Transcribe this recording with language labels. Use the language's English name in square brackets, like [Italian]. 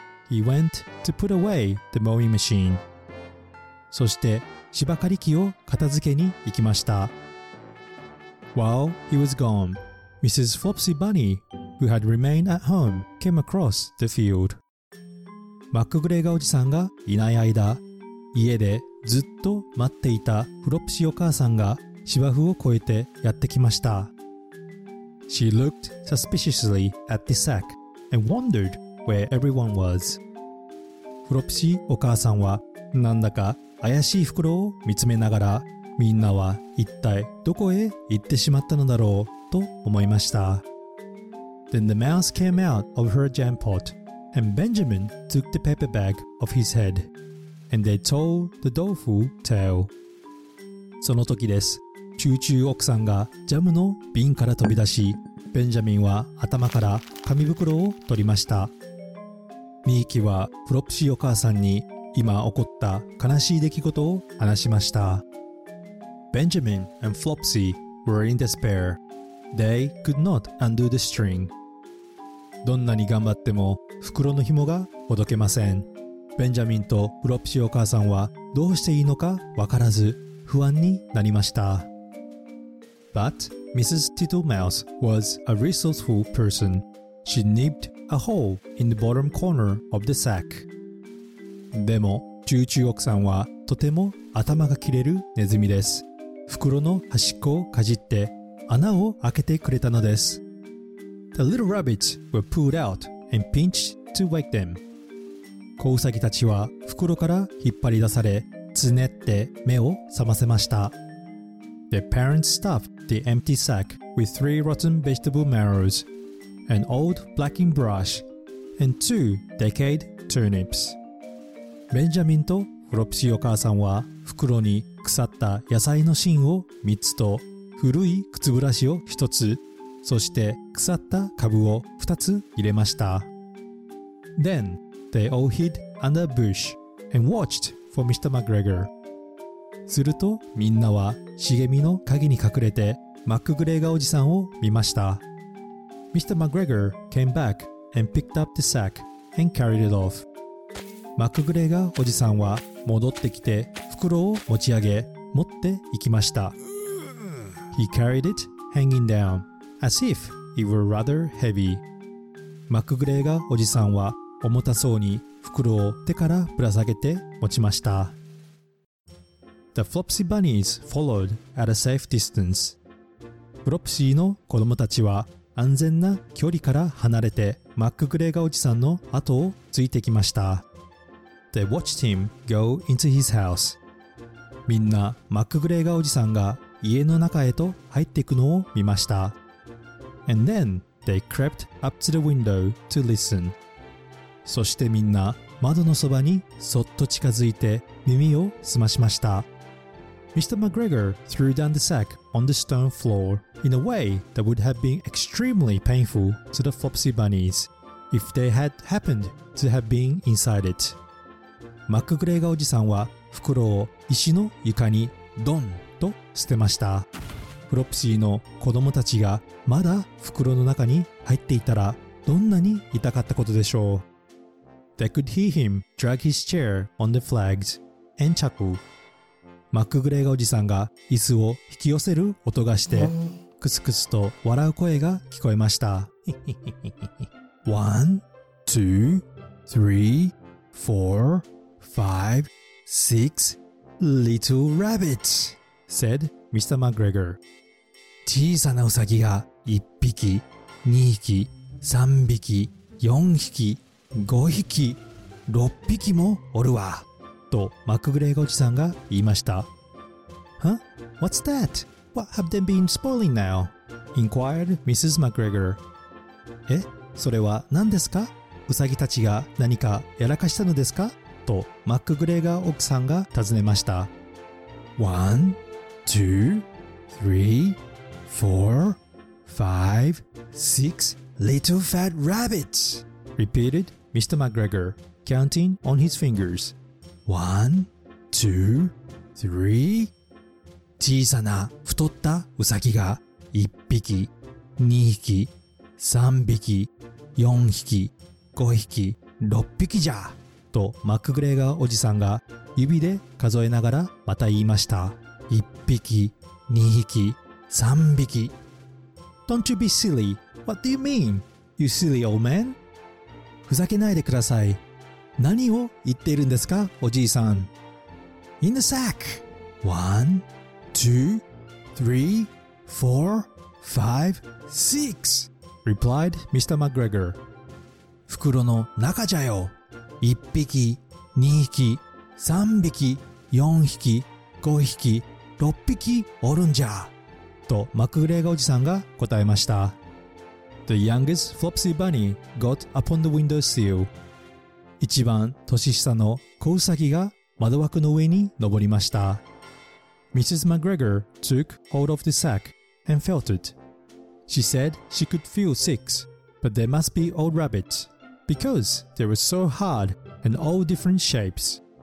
[English] He went to put away the mowing machine. [Japanese] そして芝刈り機を片付けに行きました。 [English] While he was gone, Mrs. Flopsy Bunny, who had remained at home, came across the field. [Japanese] マックグレーガーおじさんがいない間、家でずっと待っていたフロプシーお母さんが芝生を越えてやってきました。 [English] She looked suspiciously at the sack and wondered where everyone was. [Japanese] フロプシーお母さんはなんだか怪しい袋を見つめながら、みんなは一体どこへ行ってしまったのだろうと思いました。 [English] Then the mouse came out of her jam pot, and Benjamin took the paper bag off his head, and they told the doleful tale. [Japanese] その時です。チューチュー奥さんがジャムの瓶から飛び出し、ベンジャミンは頭から紙袋を取りました。ミーキはフロプシーお母さんに今起こった悲しい出来事を話しました。 [English] Benjamin and Flopsy were in despair. They could not undo the string. [Japanese] どんなに頑張っても袋の紐がほどけません。ベンジャミンとフロプシーお母さんはどうしていいのかわからず不安になりました。 [English] But Mrs. Tittlemouse was a resourceful person. She nipped a hole in the bottom corner of the sack. [Japanese] でも、チューチュー奥さんはとても頭が切れるネズミです。袋の端っこをかじって穴を開けてくれたのです。 [English] The little rabbits were pulled out and pinched to wake them. [Japanese] 子ウサギたちは袋から引っ張り出され、つねって目を覚ませました。 [English] Their parents stuffed the empty sack with three rotten vegetable marrows, an old blacking brush, and two decayed turnips. [Japanese] ベンジャミンとフロプシーお母さんは袋に腐った野菜の芯を3つと古い靴ブラシを1つ、そして腐った株を2つ入れました。 [English] Then they all hid under a bush and watched for Mr. McGregor. [Japanese] するとみんなは茂みの陰に隠れてマックグレーガーおじさんを見ました。 [English] Mr. McGregor came back and picked up the sack and carried it off. [Japanese] マックグレーガーおじさんは戻ってきて袋を持ち上げ持っていきました。 [English] He carried it hanging down as if it were rather heavy. [Japanese] マックグレーガーおじさんは重たそうに袋を手からぶら下げて持ちました。 [English] The Flopsy Bunnies followed at a safe distance. [Japanese] フロプシーの子供たちは安全な距離から離れてマックグレーガーおじさんの後をついてきました。 [English] They watched him go into his house. [Japanese] みんなマックグレーガーおじさんが家の中へと入っていくのを見ました。 [English] And then they crept up to the window to listen. [Japanese] そしてみんな窓のそばにそっと近づいて耳を澄ましました。 [English] Mr. McGregor threw down the sack on the stone floor in a way that would have been extremely painful to the Flopsy Bunnies if they had happened to have been inside it. [Japanese] マックグレーガーおじさんは袋を石の床にドンと捨てました。フロプシーの子供たちがまだ袋の中に入っていたらどんなに痛かったことでしょう。 [English] They could hear him drag his chair on the flags and chuckle。 [Japanese] マックグレーガーおじさんが椅子を引き寄せる音がしてクスクスと笑う声が聞こえました。 [English] 1 2 3 4 5 6 Little Rabbit said Mr. McGregor。 [Japanese] 小さなウサギが1匹、2匹、3匹、4匹、5匹、6匹もおるわとマックグレーガーおじさんが言いました。 [English] Huh? What's that? What have they been spoiling now? inquired Mrs. McGregor。 [Japanese] え、それは何ですか？ウサギたちが何かやらかしたのですか？とマックグレーガー奥さんが尋ねました。 [English] 1, 2, 3, 4, 5, 6 little fat rabbits repeated Mr. McGregor, counting on his fingers. [Japanese] 1, 2, 3 小さな太ったウサギが1匹、2匹、3匹、4匹、5匹、6匹じゃとマックグレーガーおじさんが指で数えながらまた言いました。 1匹、2匹、3匹。 [English] Don't you be silly. What do you mean, you silly old man? [Japanese] ふざけないでください。何を言っているんですか、おじいさん。 [English] In the sack. 1, 2, 3, 4, 5, 6 replied Mr. McGregor. [Japanese] 袋の中じゃよ。1匹、2匹、3匹、4匹、5匹、6匹おるんじゃとマックグレーガーおじさんが答えました。 [English] The youngest Flopsy Bunny got upon the window sill。 [Japanese] 一番年下の子ウサギが窓枠の上に登りました。 [English] Mrs. McGregor took hold of the sack and felt it. She said she could feel six, but they must be old rabbits because they were so hard and all different shapes.